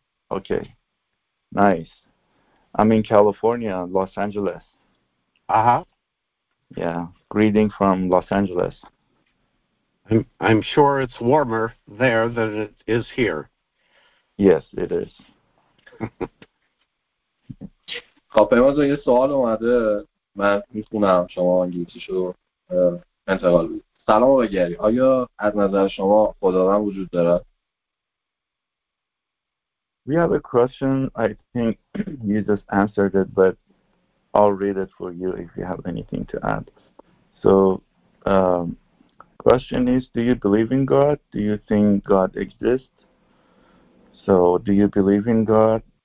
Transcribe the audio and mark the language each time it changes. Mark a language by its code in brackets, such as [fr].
[en] Okay, nice. I'm in California, Los Angeles. Yeah, greeting from Los Angeles. I'm sure it's warmer there than it is here. Yes, it is. [fa] خب پیمازا یه سوال اومده من میخونم شما انگلیسیشو انتقال بدید. سلام آقای گری، آیا از نظر شما خداوند وجود دارد؟ [en] We have a question. I think you just answered it, but I'll read it for you if you have anything to add. So, question is, do you believe in God? Do you think God exists? So, do you believe in God?